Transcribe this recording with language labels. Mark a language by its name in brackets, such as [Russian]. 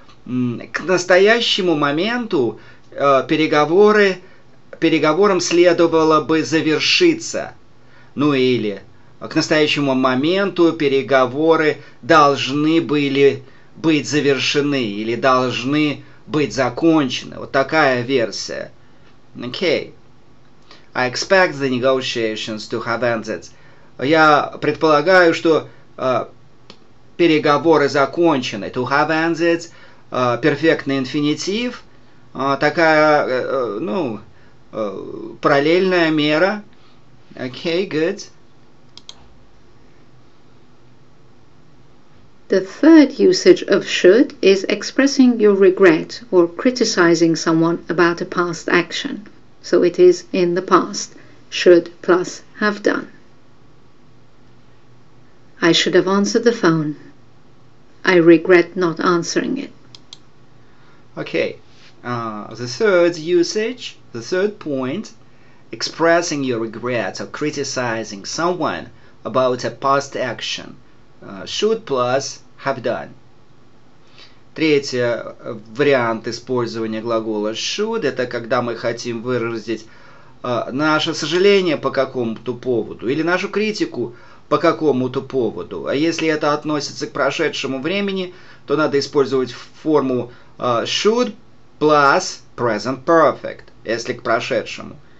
[Russian] К настоящему моменту переговорам следовало бы завершиться. Ну или к настоящему моменту переговоры должны были быть завершены или должны быть закончены. Вот такая версия. Окей. [English] Okay. I expect the negotiations to have ended. [Russian] Я предполагаю, что переговоры закончены. [English] To have ended. [Russian] Перфектный инфинитив. Такая, ну, параллельная мера. [English] Окей, okay, good. The third usage of should is expressing your regret or criticizing someone about a past action. So it is in the past. Should plus have done. I should have answered the phone. I regret not answering it. Okay. The third usage, the third point, expressing your regret or criticizing someone about a past action. Should plus have done. [Russian] Третий вариант использования глагола should — это когда мы хотим выразить наше сожаление по какому-то поводу или нашу критику по какому-то поводу. А если это относится к прошедшему времени, то надо использовать форму [English] should plus present perfect, [Russian] если к прошедшему.